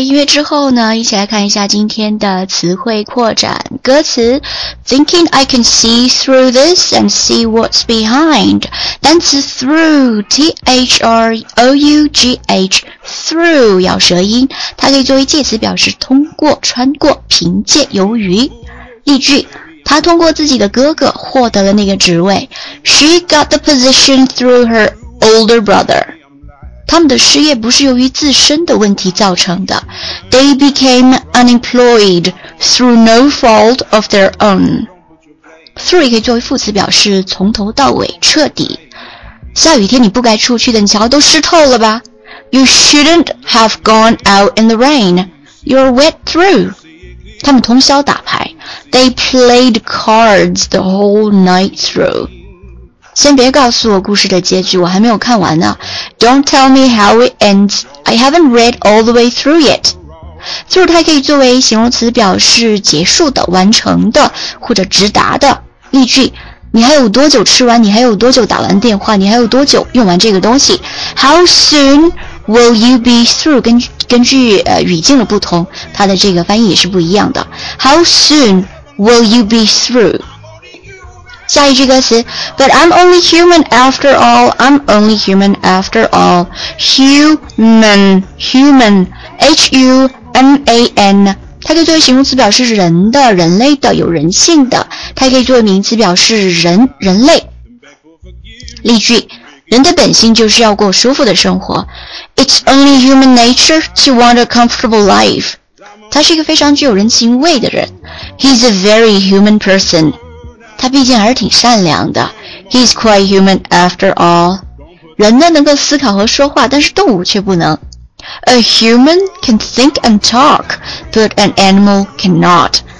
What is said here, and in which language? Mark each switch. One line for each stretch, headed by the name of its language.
Chinese: 音乐之后呢，一起来看一下今天的词汇扩展歌词。
English: Thinking I can see through this and see what's behind.
Chinese: 单词 through, T-H-R-O-U-G-H, through, 咬舌音，它可以作为介词表示通过、穿过、凭借、由于。例句，她通过自己的哥哥获得了那个职位。
English: She got the position through her older brother.
Chinese: 他们的失业不是由于自身的问题造成的。
English: They became unemployed through no fault of their own.
Chinese: Through 也可以作为副词表示从头到尾、彻底。下雨天你不该出去的，你瞧都湿透了吧。
English: You shouldn't have gone out in the rain. You're wet through.
Chinese: 他们通宵打牌。
English: They played cards the whole night through.
Chinese: 先别告诉我故事的结局，我还没有看完呢。
English: Don't tell me how it ends. I haven't read all the way through yet.
Chinese: Through 它可以作为形容词表示结束的、完成的或者直达的。例句，你还有多久吃完，你还有多久打完电话，你还有多久用完这个东西。
English: How soon will you be through
Chinese: 根据语境的不同，它的这个翻译也是不一样的。
English: How soon will you be through。
Chinese: 下一句歌词，
English: But I'm only human after all, I'm only human after all.
Chinese: Human, human, H-U-M-A-N，它可以作为形容词表示人的、人类的、有人性的，它可以作为名词表示人、人类。例句，人的本性就是要过舒服的生活。
English: It's only human nature to want a comfortable life.
Chinese: 他是一个非常具有人情味的人。
English: He's a very human person.
Chinese: 他毕竟还是挺善良的。
English: He's quite human after all.
Chinese: 人呢能够思考和说话，但是动物却不能。
English: A human can think and talk, but an animal cannot.